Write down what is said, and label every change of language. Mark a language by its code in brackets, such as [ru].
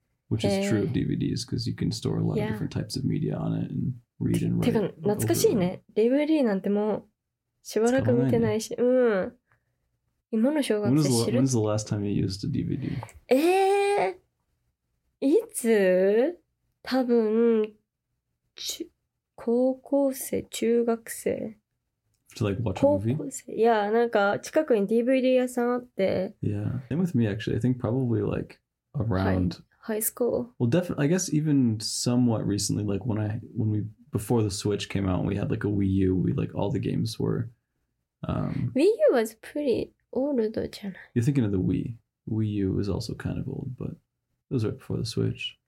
[en] Which is true of DVDs, because you can store a lot of different types of media on it and read and write. [ja] てか、懐かしいね。 DVD なんてもうしばらく見てないし。うん。今の小学生知る? [en] When's the last time you used a DVD? [ja] いつ?多分、高校生、中学生。 [en] To like watch a movie? [ja] 高校生。いや、なんか近くに DVD 屋さんあって。 [en] Yeah. Same with me actually. I think probably like around... High school. Well, definitely, I guess even somewhat recently, like when we, before the Switch came out and we had like a Wii U, we like all the games were... Wii U was pretty...Old, you're thinking of the Wii. Wii U was also kind of old, but it was right before the Switch.